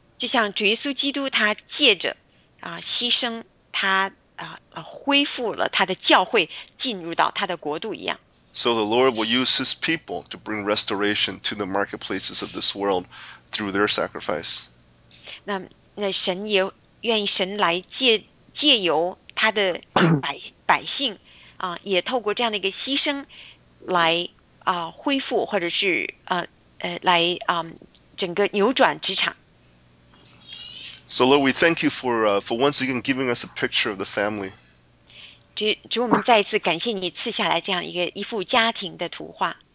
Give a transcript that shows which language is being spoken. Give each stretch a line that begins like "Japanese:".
Chinese: 就像主耶稣基督他借着、牺牲他、恢复了他的教会进入到他的国度一样。
English: So the Lord will use His people to bring restoration to the marketplaces of this world through their sacrifice.
Chinese: 那神也愿意神来借由他的百姓、也透过这样的一个牺牲来、恢复或者是、来、整个扭转职场。
English: So Lord, we thank you for once again giving us a picture of the family.
Chinese: 主我们再一次感谢你赐下来这样一幅家庭的图画。